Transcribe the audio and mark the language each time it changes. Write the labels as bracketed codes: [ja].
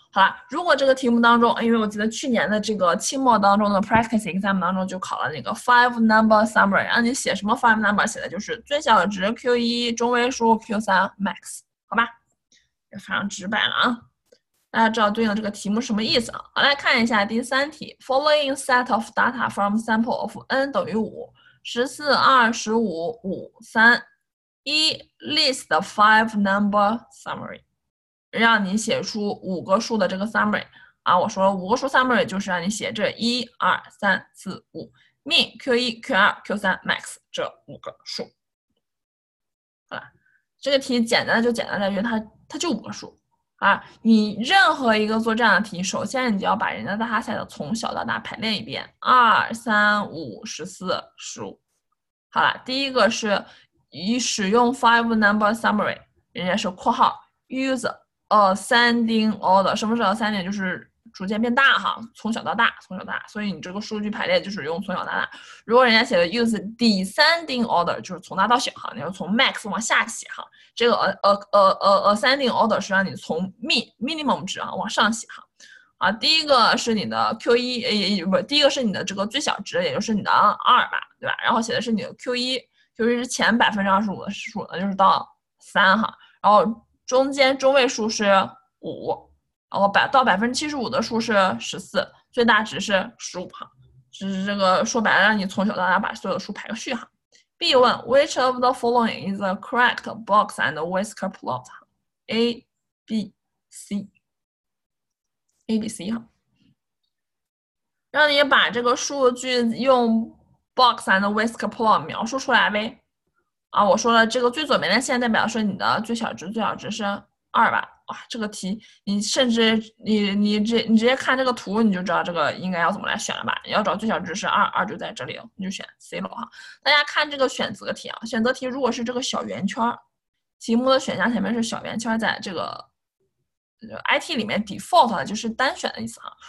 [zh] 好了，如果这个题目当中，因为我记得去年的这个期末当中的 practice exam 当中就考了那个 five number summary， 让你写什么 five number， 写的就是最小值 Q1， 中位数 Q3， max， 好吧，也非常直白了啊。大家知道对应的这个题目什么意思啊？好，来看一下第三题 ， [en] following set of data from sample of n [zh] 等于五，十四、二十五、五、三、一 ， [en] list the five number summary。 [zh] 让你写出五个数的这个 summary 啊，我说了五个数 summary 就是让你写这一二三四五 mean Q1 Q2 Q3 max 这五个数。好了，这个题简单的就简单在于它就五个数啊。你任何一个做这样的题，首先你就要把人家 dataset 从小到大排列一遍，二三五十四十五。好了，第一个是以使用 five number summary， 人家是括号 use。 [en] Ascending order， [zh] 什么是 [en] ascending？ [zh] 就是逐渐变大哈，从小到大，从小到大。所以你这个数据排列就是用从小到大。如果人家写的 [en] use descending order， [zh] 就是从大到小哈，你要从 max 往下写哈。这个ascending order 是让你从 minimum 值啊往上写哈。啊，第一个是你的 Q1， 第一个是你的这个最小值，也就是你的2吧，对吧？然后写的是你的 Q1 是前25%的数，那就是到3哈，然后。中间中位数是五，然后到75%的数是14，最大值是15哈。只是这个说白了，让你从小到大把所有的数排个序哈。B 问 ： [en] Which of the following is the correct box and whisker plot？ [zh] A B C A B C 哈，让你把这个数据用 box and whisk plot 描述出来呗。啊，我说了，这个最左边的线代表是你的最小值，最小值是二吧？哇，这个题你甚至你直接看这个图，你就知道这个应该要怎么来选了吧？你要找最小值是二，二就在这里，你就选 C 了哈。大家看这个选择题啊，选择题如果是这个小圆圈，题目的选项前面是小圆圈，在这个 IT 里面 default 的就是单选的意思哈。